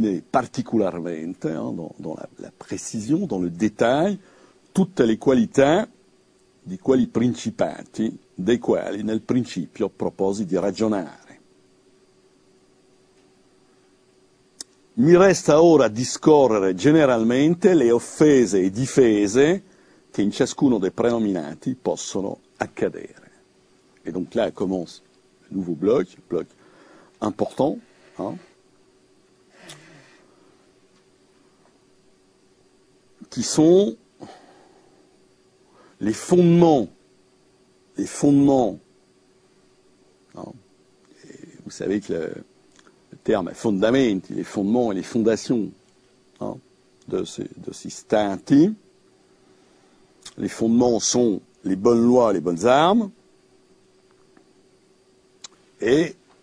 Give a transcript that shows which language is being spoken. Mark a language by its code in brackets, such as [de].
[fr] particulièrement, hein, dans la précision, dans le détail, toutes les qualités [it] di quali principati, dei quali nel principio proposi di ragionare. Mi resta ora discorrere generalmente le offese e difese che in ciascuno dei prenominati possono accadere. [fr] E donc là commence un nouveau bloc important, hein? Qui sont les fondements, hein, et vous savez que le terme est fondamenti, les fondements et les fondations, hein, de ces stati, les fondements sont les bonnes lois, les bonnes armes, et